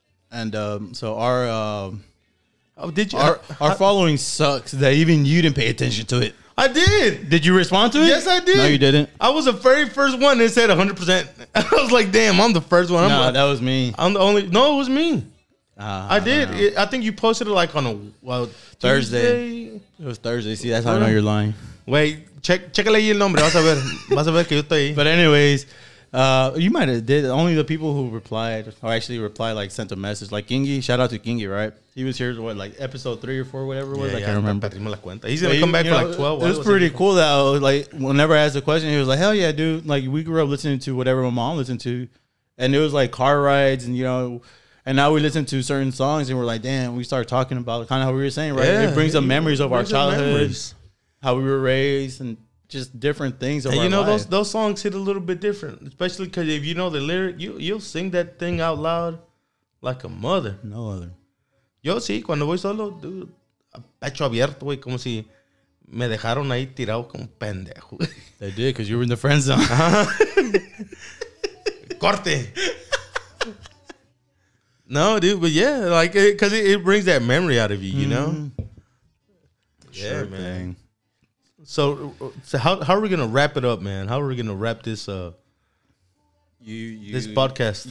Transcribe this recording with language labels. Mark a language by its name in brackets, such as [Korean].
[English] And so our... Our following sucks that even you didn't pay attention to it. I did. Did you respond to it? Yes, I did. No, you didn't. I was the very first one that said 100%. I was like, damn, I'm the first one. No, that was me. I'm the only. No, it was me. I did. I think you posted it like on Thursday. It was Thursday. See, that's how I know you're lying. [Spanish] Wait, check el nombre. Vas a ver que yo estoy. [English] But anyways, You might have did. Only the people who replied or actually replied, like, sent a message. Like, Gingy, shout out to Gingy, right? He was here, what, like, episode 3 or 4, whatever it was? Yeah, I can't remember. He's going to come back for, like, 12. It was pretty cool, though. Like, whenever I asked a question, he was like, hell yeah, dude. Like, we grew up listening to whatever my mom listened to. And it was, like, car rides and, you know. And now we listen to certain songs and we're like, damn, we start talking about kind of how we were saying, right? Yeah, it brings up memories of our childhood. How we were raised and just different things. And you know, life. those songs hit a little bit different, especially because if you know the lyric, you'll sing that thing out loud like a mother. No other. [Spanish] Yo sí, cuando voy solo, dude, pecho abierto, güey, como si me dejaron ahí tirado como pendejo. [English] They did, because you were in the friend zone. Uh-huh. [Spanish] Corte. [English] No, dude, but yeah, like, because it brings that memory out of you, you know? Sure, yeah, man. Thing. So how are we going to wrap it up, man? How are we going to wrap this this podcast?